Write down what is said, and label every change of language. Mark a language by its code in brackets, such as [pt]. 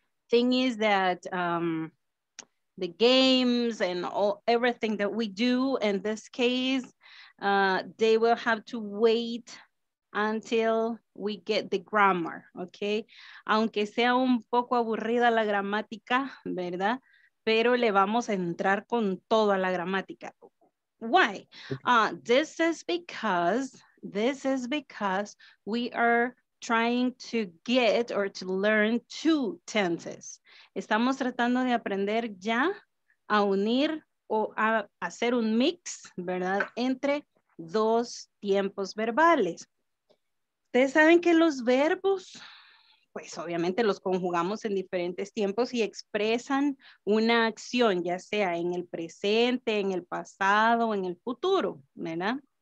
[en] Thing is that the games and all everything that we do in this case, they will have to wait until we get the grammar, okay? [es] Aunque sea un poco aburrida la gramática, ¿verdad? Pero le vamos a entrar con toda la gramática. [en] Why? This is because we are trying to get or to learn two tenses. [es] Estamos tratando de aprender ya a unir o a hacer un mix, ¿verdad? Entre dos tiempos verbales. Ustedes saben que los verbos, pues obviamente los conjugamos en diferentes tiempos y expresan una acción, ya sea en el presente, en el pasado, en el futuro, ¿verdad?